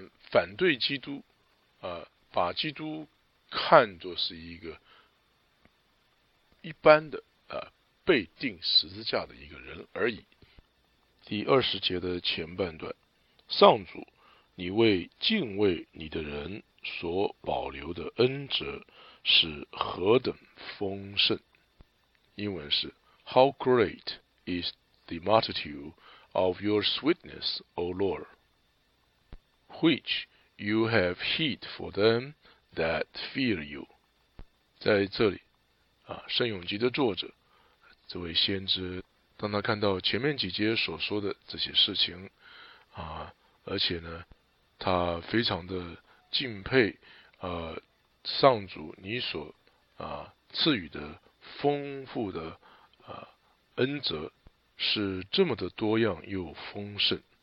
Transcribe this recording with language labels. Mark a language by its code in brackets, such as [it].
[zh] 反对基督把基督看作是一个一般的被钉十字架的一个人而已。第20节的前半段，上主，你为敬畏你的人所保留的恩泽是何等丰盛。英文是 [en] How great is the multitude of your sweetness, O Lord, which you have hid for them that fear you。 [zh] 在这里圣咏集的作者这位先知，当他看到前面几节所说的这些事情而且呢，他非常的敬佩上主你所赐予的丰富的恩泽是这么的多样又丰盛